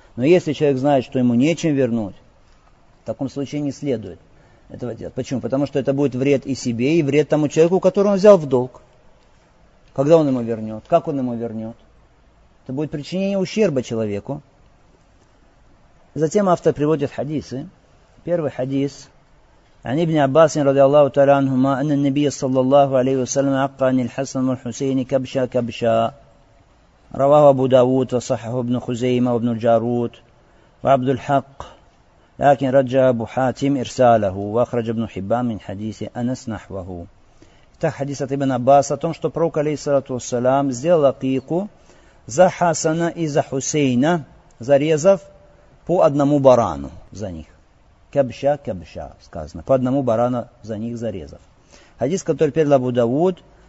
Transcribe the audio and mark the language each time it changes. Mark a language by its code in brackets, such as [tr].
[ru] Но если человек знает, что ему нечем вернуть, в таком случае не следует этого делать. Почему? Потому что это будет вред и себе, и вред тому человеку, который он взял в долг. Когда он ему вернет? Как он ему вернет? Это будет причинение ущерба человеку. Затем автор приводит хадисы. Первый хадис. [ar] عن ابن عباس رضي الله تعالى عنهما أن النبي صلى الله عليه وسلم عق عن الحسن والحسين كبشا كبشا رواه أبو داود وصححه ابن خزيمة وابن الجارود وعبد الحق لكن رجع أبو حاتم إرساله وأخرج ابن حبان من حديث أنس نحوه. [ru] Так хадис от ابن عباس о том, что пророк алейхиссалату вассалам сделал акику за Хасана и за Хусейна, зарезав по одному барану за них. Кабша, кабша, сказано. По одному барану за них зарезав. Хадис, который передал Абу Дауд,